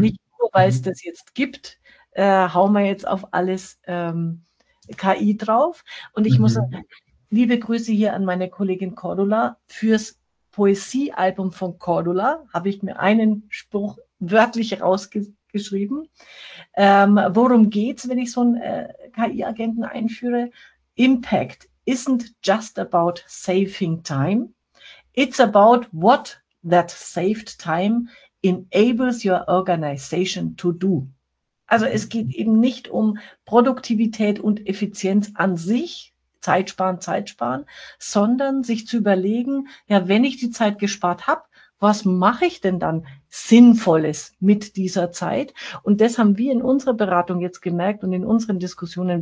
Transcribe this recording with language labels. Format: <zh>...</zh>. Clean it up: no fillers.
<de>Nicht nur, weil es das jetzt gibt, hauen wir jetzt auf alles KI drauf. Und ich muss sagen, liebe Grüße hier an meine Kollegin Cordula, fürs Poesiealbum von Cordula habe ich mir einen Spruch wörtlich rausgeschrieben. Worum geht's, wenn ich so einen KI-Agenten einführe?</de> <en>Impact isn't just about saving time. It's about what that saved time enables your organization to do.</en> <de>Also es geht eben nicht um Produktivität und Effizienz an sich, Zeit sparen, sondern sich zu überlegen, ja, wenn ich die Zeit gespart habe, was mache ich denn dann Sinnvolles mit dieser Zeit? Und das haben wir in unserer Beratung jetzt gemerkt und in unseren Diskussionen.</de>